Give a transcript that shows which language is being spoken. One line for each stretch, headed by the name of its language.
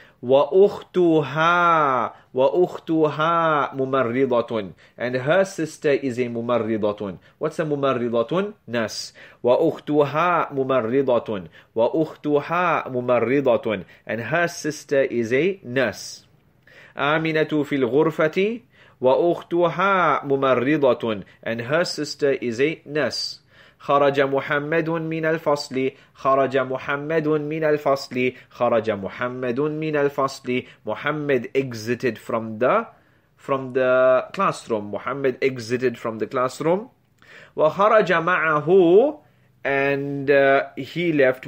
Arabic: واختها. واختها ممرضه.
English: And her sister is a ممرضه. What's a ممرضه?
Arabic: Nurse. واختها ممرضه. واختها ممرضه.
English: And her sister is a nurse.
Arabic: آمنة في الغرفة واختها ممرضة.
English: And her sister is a nurse.
Arabic: خرج محمد من الفصل. خرج محمد من الفصل. خرج محمد من الفصل.
English: Muhammad exited from the classroom. Muhammad exited from the classroom.
Arabic: وخرج معه
English: and he left.